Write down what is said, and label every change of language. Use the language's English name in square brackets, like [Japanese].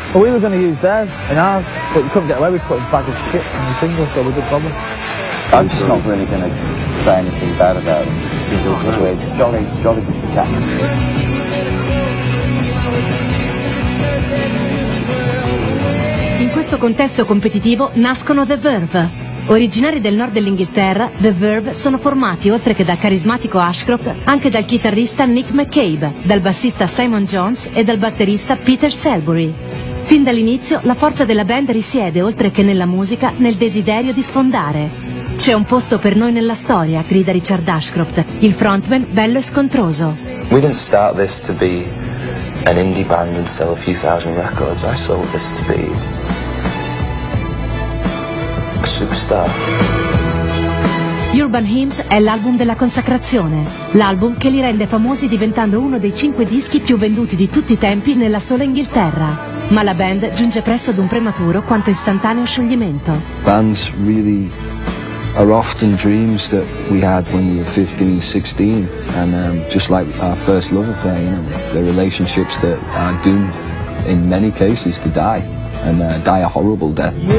[English] Oh, we were gonna use theirs and ours, but we couldn't get away with putting bag of shit on the single, so we're good problem. I'm just not really gonna say anything bad about them. Oh, no. We're jolly, jolly good chap. [Italian] In questo contesto competitivo nascono The Verve. Originari del nord dell'Inghilterra, The Verve sono formati, oltre che dal carismatico Ashcroft, anche dal chitarrista Nick McCabe, dal bassista Simon Jones e dal batterista Peter Selbury. Fin dall'inizio la forza della band risiede, oltre che nella musica, nel desiderio di sfondare. «C'è un posto per noi nella storia», grida Richard Ashcroft, il frontman bello e scontroso. [English] We didn't start this to be an indie band and sell a few thousand records. I sold this to be superstar. [Italian] Urban Hymns è l'album della consacrazione, l'album che li rende famosi diventando uno dei 5 dischi più venduti di tutti i tempi nella sola Inghilterra. Ma la band giunge presto ad un prematuro quanto istantaneo scioglimento. [English] Bands really are often dreams that we had when we were 15, 16, and just like our first love affair, you know, they're relationships that are doomed in many cases to die, and die a horrible death.